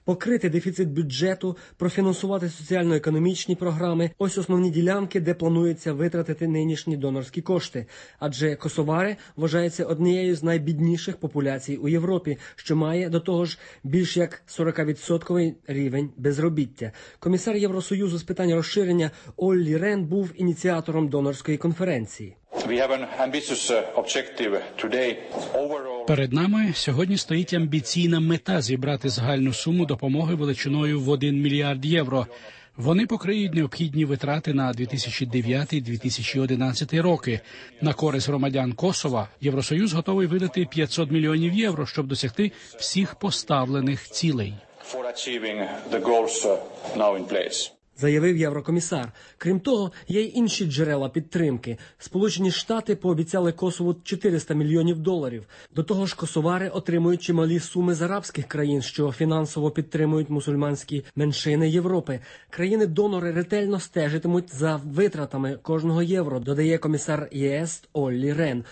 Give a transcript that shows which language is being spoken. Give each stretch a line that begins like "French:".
Ukrainian: Покрити дефіцит бюджету, профінансувати соціально-економічні програми – ось основні ділянки, де планується витратити нинішні донорські кошти. Адже косовари вважаються однією з найбідніших популяцій у Європі, що має, до того ж, більш як 40% рівень безробіття. Комісар Євросоюзу з питань розширення Оллі Рен був ініціатором донорської конференції.
English: We have an ambitious objective today. Overall...
Ukrainian: Перед нами сьогодні стоїть амбіційна мета зібрати загальну суму допомоги величиною в 1 мільярд євро. Вони покриють необхідні витрати на 2009-2011 роки. На користь громадян Косова Євросоюз готовий видати 500 мільйонів євро, щоб досягти всіх поставлених цілей.
English: For achieving the goals now in place.
Ukrainian: Заявив єврокомісар. Крім того, є й інші джерела підтримки. Сполучені Штати пообіцяли Косову 400 мільйонів доларів. До того ж, косовари отримують чималі суми з арабських країн, що фінансово підтримують мусульманські меншини Європи. Країни-донори ретельно стежитимуть за витратами кожного євро, додає комісар ЄС Оллі Рен.